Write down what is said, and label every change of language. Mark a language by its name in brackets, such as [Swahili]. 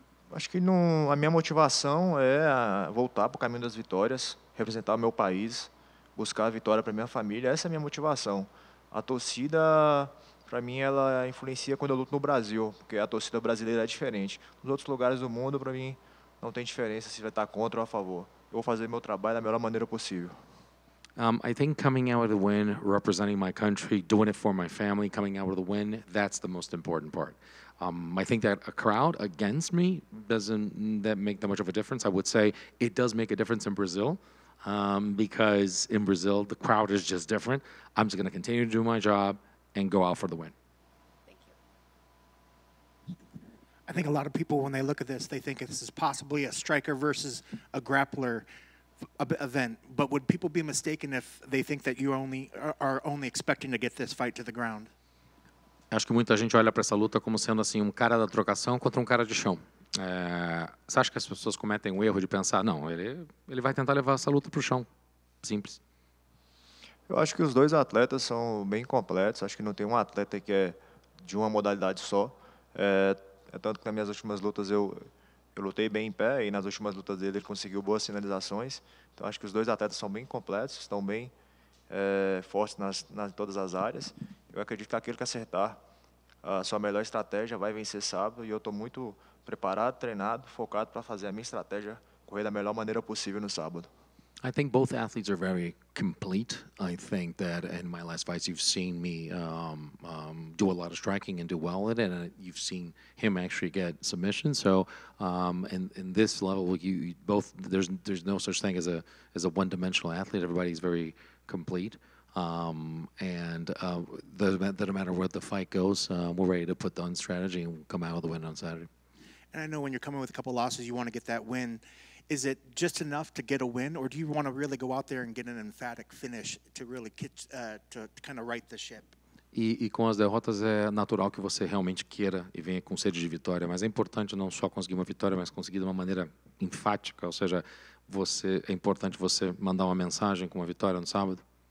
[Portuguese] Acho que a minha motivação é voltar para o caminho das vitórias, representar o meu país, buscar a vitória para minha família. Essa é a minha motivação. A torcida para mim, ela influencia quando eu luto no Brasil, porque a torcida brasileira é diferente. Nos outros lugares do mundo, para mim, não tem diferença se vai estar contra ou a favor. Eu vou fazer meu trabalho da melhor maneira possível. [English] I think coming out with a win, representing my country, doing it for my family, coming out with a win, that's the most important part. I think that a crowd against me doesn't that make that much of a difference. I would say it does make a difference in Brazil, because in Brazil, the crowd is just different. I'm just going to continue to do my job and go out for the win. Thank you. I think a lot of people, when they look at this, they think this is possibly a striker versus a grappler event. But would people be mistaken if they think that you only are only expecting to get this fight to the ground? [Portuguese] Acho que muita gente olha para essa luta como sendo assim um cara da trocação contra um cara de chão. É, você acha que as pessoas cometem o erro de pensar, não, ele vai tentar levar essa luta para o chão. Simples. Eu acho que os dois atletas são bem completos. Acho que não tem um atleta que é de uma modalidade só. É tanto que nas minhas últimas lutas eu lutei bem em pé e nas últimas lutas dele ele conseguiu boas sinalizações. Então acho que os dois atletas são bem completos, estão bem fortes nas todas as áreas. Eu acredito que aquele que acertar a sua melhor estratégia vai vencer sábado e eu estou muito preparado, treinado, focado para fazer a minha estratégia correr da melhor maneira possível no sábado. [English] I think both athletes are very complete. I think that in my last fights you've seen me do a lot of striking and do well at it, and you've seen him actually get submission. So in this level, there's no such thing as a one-dimensional athlete. Everybody's very complete. Doesn't matter where the fight goes, we're ready to put on strategy and come out with a win on Saturday. And I know when you're coming with a couple losses, you want to get that win. Is it just enough to get a win, or do you want to really go out there and get an emphatic finish to really to kind of right the ship? [Portuguese] E com as derrotas é natural que você realmente queira e venha com sede de vitória, mas é importante não só conseguir uma vitória, mas conseguir de uma maneira enfática, ou seja, é importante você mandar uma mensagem com uma vitória no sábado.